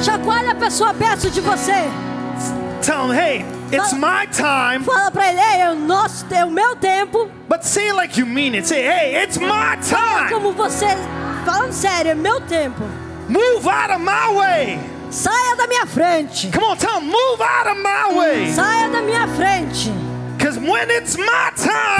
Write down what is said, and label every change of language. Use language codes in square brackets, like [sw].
[pt] Chacoalha a pessoa perto de você. [en] Tell him, hey, it's my time. [pt] Fala pra ele, hey, é o meu tempo. [en] But say it like you mean it. Say, hey, it's my time. [pt] Como você fala sério, é meu tempo. [en] Move out of my way. [pt] Saia da minha frente. [en] Come on, tell him, move out of my way. [pt] Saia da minha frente. [en] Because when it's my time,